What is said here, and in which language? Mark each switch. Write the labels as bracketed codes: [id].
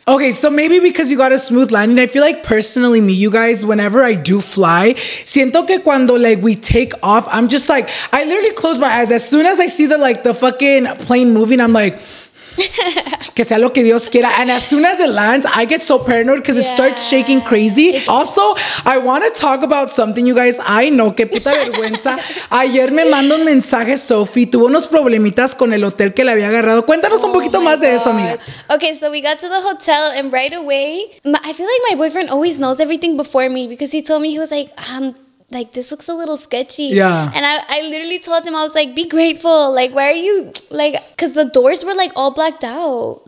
[en] Okay, so maybe because you got a smooth landing, I feel like personally me, you guys, whenever I do fly, [es] siento que cuando [en] like we take off, I'm just like, I literally close my eyes. As soon as I see the fucking plane moving, I'm like... [es] que sea lo que Dios quiera. [en] And as soon as it lands, I get so paranoid because it starts shaking crazy. Also, I want to talk about something, you guys. [es] Ay, no, qué puta vergüenza. Ayer me mandó un mensaje, Sophie. Tuvo unos problemitas con el hotel que le había agarrado. Cuéntanos un poquito más de eso, amigas. [en] Okay, so we got to the hotel and right away, I feel like my boyfriend always knows everything before me because he told me, he was like, like, this looks a little sketchy. Yeah. And I literally told him, I was like, be grateful. Like, why are you, like, because the doors were, like, all blacked out.